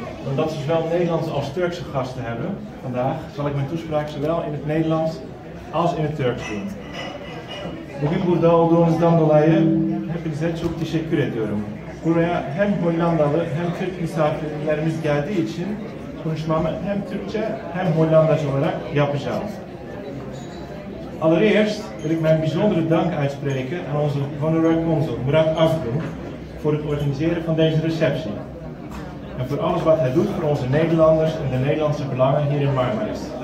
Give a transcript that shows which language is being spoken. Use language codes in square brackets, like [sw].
[nl] En dat we zowel Nederlandse als Turkse gasten hebben vandaag, zal ik mijn toespraak zowel in het Nederlands als in het Turks doen. [tr] Bugün burada olduğunuzdan dolayı hepinize çok teşekkür ediyorum. Buraya hem Hollandalı hem Türk misafirlerimiz geldiği için konuşmamı hem Türkçe hem Hollandaca olarak yapacağım. [nl] Allereerst wil ik mijn bijzondere dank uitspreken aan onze honorary consul Murat Asgun voor het organiseren van deze receptie. En voor alles wat hij doet voor onze Nederlanders en de Nederlandse belangen hier in Marmaris.